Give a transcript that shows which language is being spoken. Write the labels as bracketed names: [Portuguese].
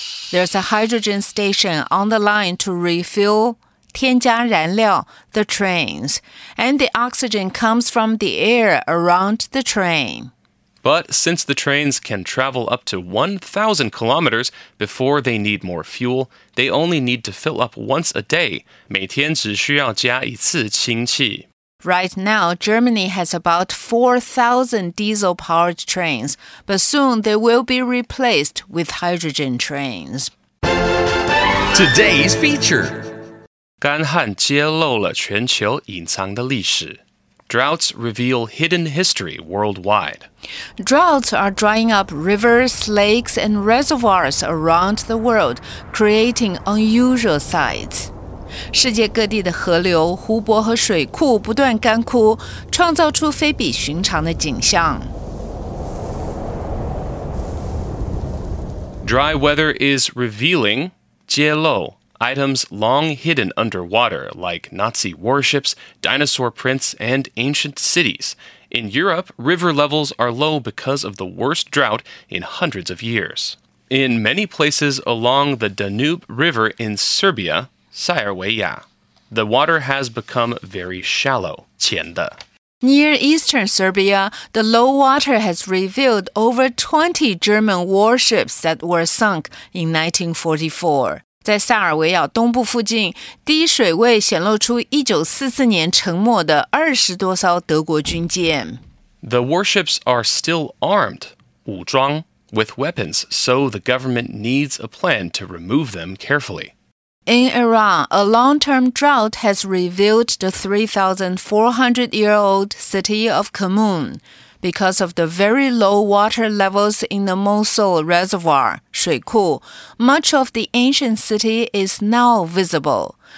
[English] There's a hydrogen station on the line to refuel, [Chinese] 添加燃料, [English] the trains. And the oxygen comes from the air around the train. But since the trains can travel up to 1,000 kilometers before they need more fuel, they only need to fill up once a day. [Chinese] 每天只需要加一次氢气。 [English] Right now, Germany has about 4,000 diesel-powered trains, but soon they will be replaced with hydrogen trains. Today's feature. [Chinese] 干旱揭露了全球隐藏的历史。 [English] Droughts reveal hidden history worldwide. Droughts are drying up rivers, lakes, and reservoirs around the world, creating unusual sights. [Chinese] 世界各地的河流、湖泊和水库不断干枯，创造出非比寻常的景象。 [English] Dry weather is revealing, [Chinese] 揭露, [English] items long hidden underwater, like Nazi warships, dinosaur prints, and ancient cities. In Europe, river levels are low because of the worst drought in hundreds of years. In many places along the Danube River in Serbia, Sarajevo, the water has become very shallow, [Chinese] 浅的。 [English] Near eastern Serbia, the low water has revealed over 20 German warships that were sunk in 1944. [Chinese] 在塞尔维亚东部附近，低水位显露出1944年沉没的20多艘德国军舰。 [English] The warships are still armed, [Chinese] 武装, [English] with weapons, so the government needs a plan to remove them carefully. In Iran, a long-term drought has revealed the 3,400-year-old city of Kamun because of the very low water levels in the Mosul Reservoir, [Chinese] 水库, [English] much of the ancient city is now visible.